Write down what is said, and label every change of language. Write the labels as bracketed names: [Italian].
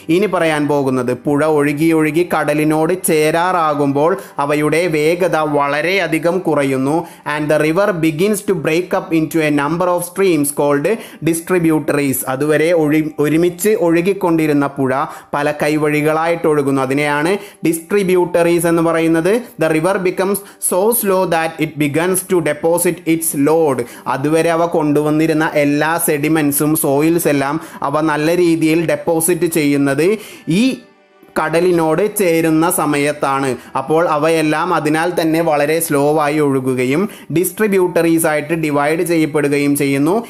[Malayalam] ഇനി പറയാൻ പോകുന്നത്, പുഴ ഒഴുകി ഒഴുകി കടലിനോട് ചേരാറാകുമ്പോൾ അവയുടെ വേഗത വളരെയധികം കുറയുന്നു. [English] And the river begins to break up into a number of streams called distributaries. [Malayalam] അതുവരെ ഒരുമിച്ച് ഒഴുകിക്കൊണ്ടിരുന്ന പുഴ പല കൈവഴികളായിട്ട് ഒഴുകുന്നു. അതിനെയാണ് ഡിസ്ട്രിബ്യൂട്ടറീസ് എന്ന് പറയുന്നത്. [English] The river becomes so slow that it begins to deposit its load. [Malayalam] അതുവരെ അവ കൊണ്ടുവന്നിരുന്ന എല്ലാ സെഡിമെന്റ്സും സോയിൽസ് എല്ലാം അവ നല്ല രീതിയിൽ ഡെപ്പോസിറ്റ് ചെയ്യുന്നത് ഈ കടലിനോട് ചേരുന്ന സമയത്താണ്. അപ്പോൾ അവയെല്ലാം അതിനാൽ തന്നെ വളരെ സ്ലോ ആയി ഒഴുകുകയും ഡിസ്ട്രിബ്യൂട്ടറീസ് ആയിട്ട് ഡിവൈഡ് ചെയ്യപ്പെടുകയും ചെയ്യുന്നു.